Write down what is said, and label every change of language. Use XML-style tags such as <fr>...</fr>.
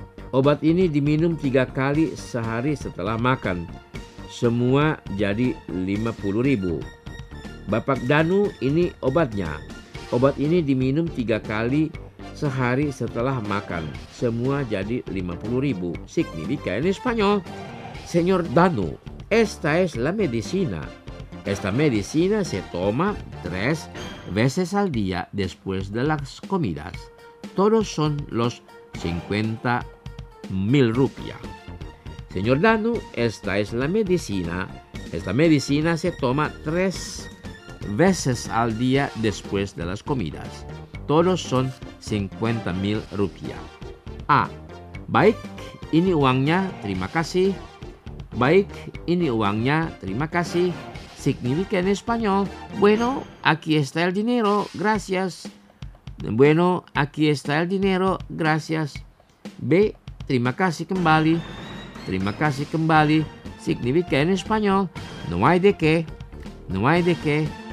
<id>Obat ini diminum 3 kali sehari setelah makan. Semua jadi 50 ribu. Bapak Danu, ini obatnya. Obat ini diminum 3 kali sehari setelah makan. Semua jadi 50 ribu.</id> <es>Significa en español. Señor Danu, esta es la medicina. Esta medicina se toma 3 veces al día después de las comidas. Todos son los 50 mil rupias. Señor Danu, esta es la medicina. Esta medicina se toma 3 veces al día después de las comidas. Todos son 50.000 rupiah.</es> <id>Baik ini uangnya, terima kasih. Baik ini uangnya, terima kasih.</id> <es>Significa en español, bueno, aquí está el dinero, gracias. Bueno, aquí está el dinero, gracias. B,</es> <id>terima kasih kembali. Terima kasih kembali.</id> <es>Significa en español, no hay de qué, no hay de qué.</es>